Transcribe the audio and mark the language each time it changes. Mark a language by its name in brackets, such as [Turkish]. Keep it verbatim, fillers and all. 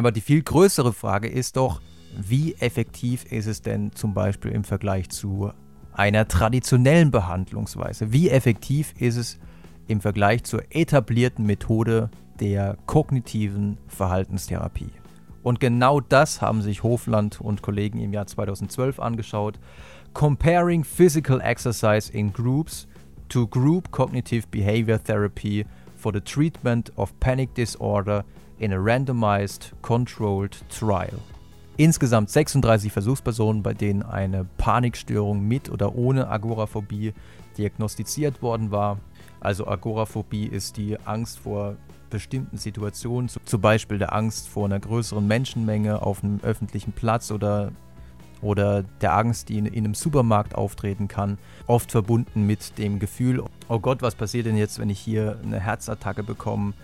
[German] Aber die viel größere Frage ist doch, wie effektiv ist es denn zum Beispiel im Vergleich zu einer traditionellen Behandlungsweise? Wie effektiv ist es im Vergleich zur etablierten Methode der kognitiven Verhaltenstherapie? Und genau das haben sich Hofland und Kollegen im Jahr zweitausendzwölf angeschaut. [English] Comparing physical exercise in groups to group cognitive behavior therapy for the treatment of panic disorder in a randomized controlled trial. [German] Insgesamt sechsunddreißig Versuchspersonen, bei denen eine Panikstörung mit oder ohne Agoraphobie diagnostiziert worden war. Also Agoraphobie ist die Angst vor bestimmten Situationen, zum Beispiel der Angst vor einer größeren Menschenmenge auf einem öffentlichen Platz oder, oder der Angst, die in, in einem Supermarkt auftreten kann, oft verbunden mit dem Gefühl, oh Gott, was passiert denn jetzt, wenn ich hier eine Herzattacke bekomme?